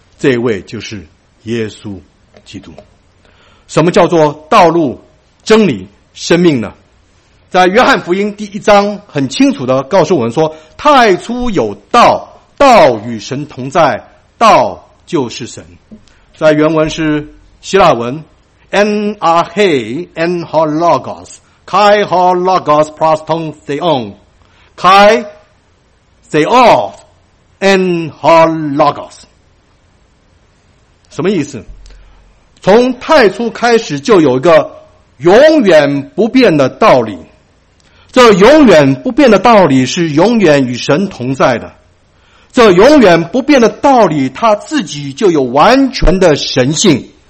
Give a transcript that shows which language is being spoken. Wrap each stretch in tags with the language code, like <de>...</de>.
<zh>这位就是耶稣基督。什么叫做道路、真理、生命呢？在约翰福音第一章很清楚地告诉我们说，太初有道，道与神同在，道就是神。在原文是希腊文</zh> <el>en ho logos kai ho logos</el> <zh>proston theon kai theos en ho logos，什么意思？从太初开始就有一个永远不变的道理，这永远不变的道理是永远与神同在的，这永远不变的道理他自己就有完全的神性。</zh>